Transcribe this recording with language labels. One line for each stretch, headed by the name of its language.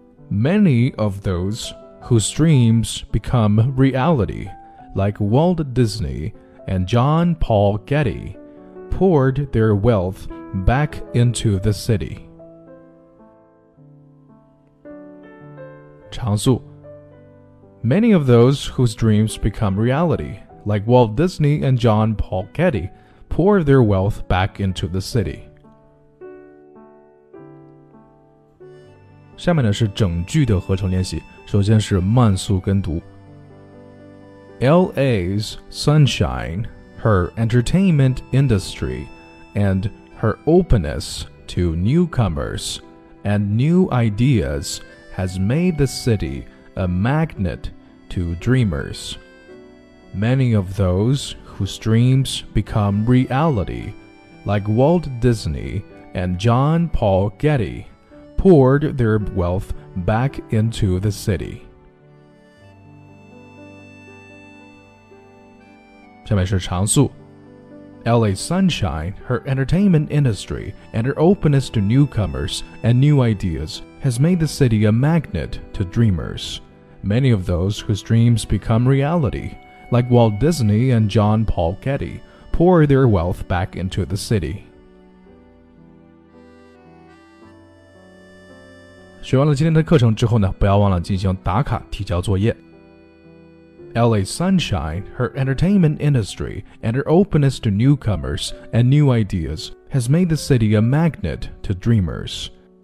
English: Many of those whose dreams become reality, like Walt Disney and John Paul Getty, poured their wealth back into the city.
Chinese: 长速。
English: Many of those whose dreams become reality, like Walt Disney and John Paul Getty, pour their wealth back into the city.
Chinese: 下面呢是整句的合成练习，首先是慢速跟读。
English: LA's sunshine, her entertainment industry, and her openness to newcomers and new ideas. Has made the city a magnet to dreamers. Many of those whose dreams become reality, like Walt Disney and John Paul Getty, poured their wealth back into the city. 下面是长速。 LA's sunshine, her entertainment industry, and her openness to newcomers and new ideas has made the city a magnet to dreamers. Many of those whose dreams become reality, like Walt Disney and John Paul Getty, pour their wealth back into the city.
Chinese: 学完了今天的课程之后呢，不要忘了进行打卡提交作业。
English: LA Sunshine, her entertainment industry, and her openness to newcomers and new ideas has made the city a magnet to dreamers.